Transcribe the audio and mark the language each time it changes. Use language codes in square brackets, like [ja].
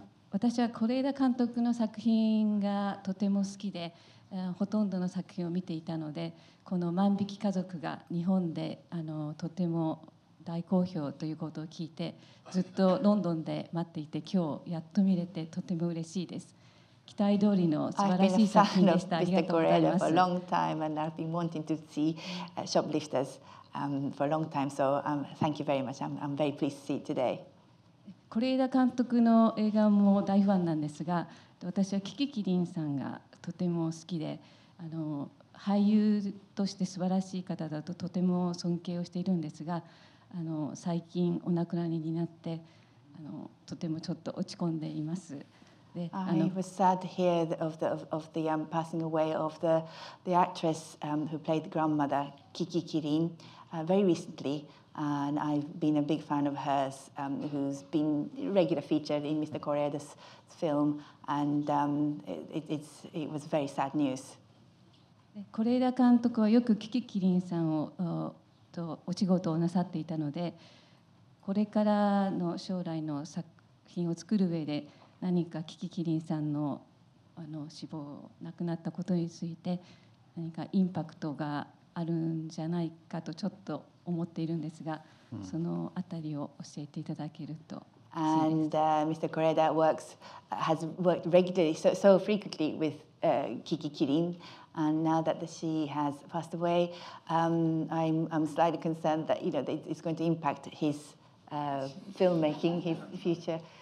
[ja] 私は是枝監督の作品がとても好きで、ほとんどの作品を見ていたので、この万引き家族が日本でとても大好評ということを聞いて、ずっとロンドンで待っていて、今日やっと見れてとても嬉しいです。期待通りの素晴らしい作品でした。ありがとうございます。 [en] I've been a fan of Mr. Correa for a long time, and I've been wanting to see Shoplifters for a long time. So, thank you very much. I'm very pleased to see it today. [ja] 是枝監督の映画も大ファンなんですが、私はキキキリンさんがとても好きで、俳優として素晴らしい方だととても尊敬をしているんですが、最近お亡くなりになって、とてもちょっと落ち込んでいます。 [en] I was sad to hear of the passing away of the actress who played the grandmother Kiki Kirin very recently, and I've been a big fan of hers who's been regular featured in Mr. Correa's film, and it was very sad news. [ja] 是枝監督はよくキキキリンさんをとお仕事をなさっていたので、これからの将来の作品を作る上で何かキキキリンさんの死亡亡くなったことについて何かインパクトがあるんじゃないかとちょっと思っているんですが、そのあたりを教えていただけると。 [en] And Mr. Correa has worked regularly, so frequently with Kiki Kirin, and now that she has passed away, I'm slightly concerned that, you know, it's going to impact his filmmaking, his future.